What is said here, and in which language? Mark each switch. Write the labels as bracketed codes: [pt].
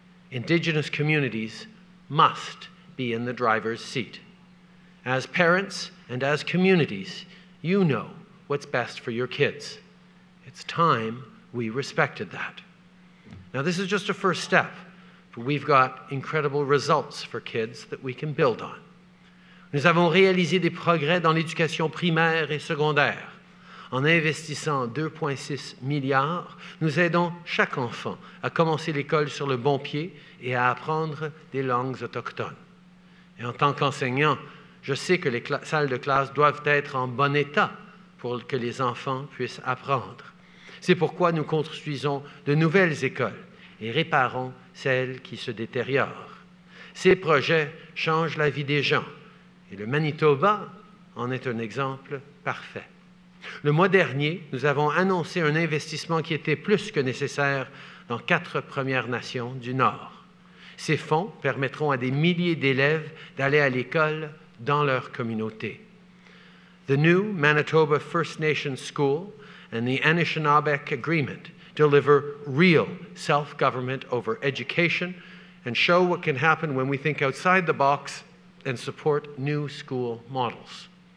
[en] Indigenous communities must be in the driver's seat. As parents and as communities, you know what's best for your kids. It's time we respected that. Now, this is just a first step, but we've got incredible results for kids that we can build on. [fr] Nous avons réalisé des progrès dans l'éducation primaire et secondaire. En investissant 2,6 milliards, nous aidons chaque enfant à commencer l'école sur le bon pied et à apprendre des langues autochtones. Et en tant qu'enseignant, je sais que les salles de classe doivent être en bon état pour que les enfants puissent apprendre. C'est pourquoi nous construisons de nouvelles écoles et réparons celles qui se détériorent. Ces projets changent la vie des gens, et le Manitoba en est un exemple parfait. Le mois dernier, nous avons annoncé un investissement qui était plus que nécessaire dans 4 Premières Nations du Nord. Ces fonds permettront à des milliers d'élèves d'aller à l'école dans leur communauté. [en] The new Manitoba First Nations School and the Anishinaabe Agreement deliver real self-government over education and show what can happen when we think outside the box and support new school models.